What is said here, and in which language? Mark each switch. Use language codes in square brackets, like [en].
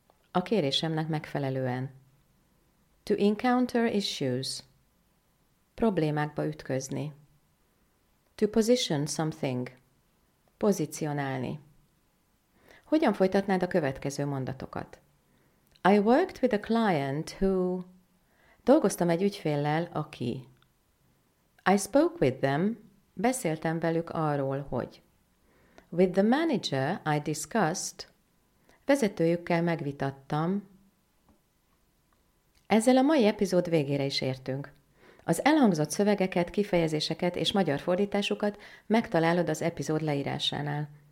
[hu] A kérésemnek megfelelően. [en] To encounter issues. [hu] Problémákba ütközni. [en] To position something. [hu] Pozícionálni. Hogyan folytatnád a következő mondatokat? [en] I worked with a client who... [hu] Dolgoztam egy ügyféllel, aki... [en] I spoke with them. [hu] Beszéltem velük arról, hogy... [en] With the manager I discussed, [hu] vezetőjükkel megvitattam. Ezzel a mai epizód végére is értünk. Az elhangzott szövegeket, kifejezéseket és magyar fordításukat megtalálod az epizód leírásánál.